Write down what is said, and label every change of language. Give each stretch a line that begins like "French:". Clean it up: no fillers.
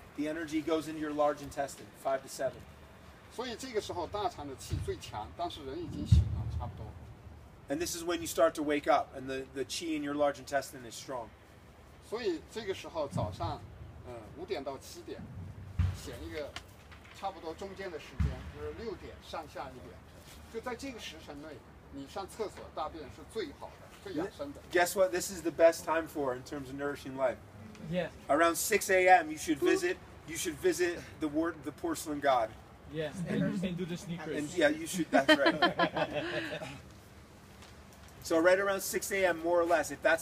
English: The energy goes into your large intestine, 5 to 7.
Chinese: 所以这个时候大肠的气最强，但是人已经醒了，差不多。
English: And this is when you start to wake up, and the qi in your large intestine is strong.
Chinese: 所以这个时候早上，5点到7点，选一个差不多中间的时间，就是6点上下一点，就在这个时辰内，你上厕所大便是最好的。
English: Guess what? This is the best time for in terms of nourishing life. Yeah. Around 6 a.m. You should visit the porcelain god. Yeah. And do the sneakers. And yeah, you should. That's right. So right around 6 a.m. more or less.